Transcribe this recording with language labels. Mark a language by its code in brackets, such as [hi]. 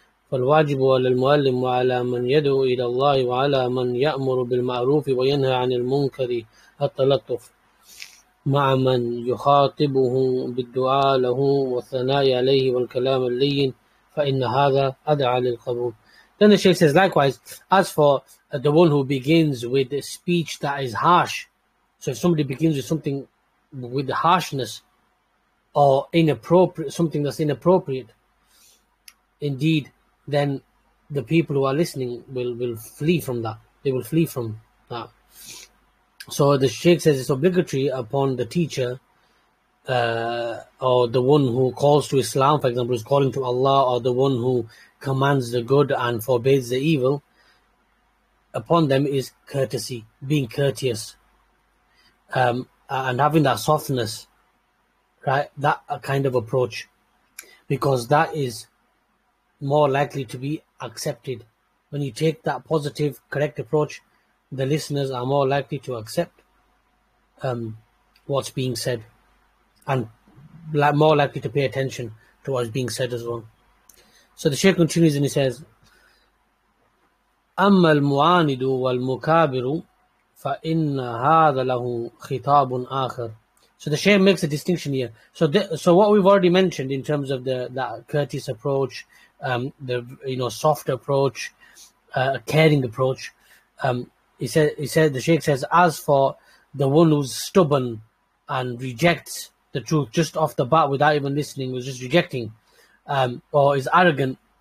[ar] فالواجب على المعلم وعلى من يدعو إلى الله وعلى من يأمر بالمعروف وينهى عن المنكر التلطف مع من يخاطبه بالدعاء له والثناء عليه والكلام اللين فإن هذا أدعى للقبول. [en] Then the Shaykh says, likewise, as for the one who begins with a speech that is harsh, so if somebody begins with something with harshness or inappropriate, something that's inappropriate, indeed, then the people who are listening will flee from that. They will flee from that. So the Shaykh says it's obligatory upon the teacher or the one who calls to Islam, for example, is calling to Allah, or the one who commands the good and forbids the evil, upon them is courtesy, being courteous, and having that softness, right? That kind of approach, because that is more likely to be accepted. When you take that positive, correct approach, the listeners are more likely to accept what's being said, and more likely to pay attention to what's being said as well. So the Shaykh continues and he says, [ar] أَمَّا الْمُعَانِدُ وَالْمُكَابِرُ فَإِنَّ هَذَا لَهُ خِطَابٌ آخَرٌ. [en] So the Shaykh makes a distinction here. So so what we've already mentioned in terms of that courteous approach, soft approach, caring approach, the Shaykh says, as for the one who's stubborn and rejects the truth just off the bat without even listening, was just rejecting, or is arrogant.